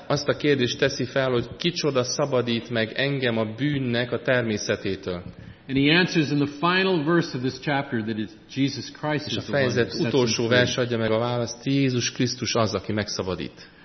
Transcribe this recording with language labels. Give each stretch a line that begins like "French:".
Hungarian: Azt a kérdést teszi fel, hogy kicsoda szabadít meg engem a bűnnek a természetétől.
English: And he answers in the final verse of this chapter that it's Jesus Christ is the one.
Hungarian: És a fejezet utolsó verse adja meg a választ, Jézus Krisztus az, aki megszabadít.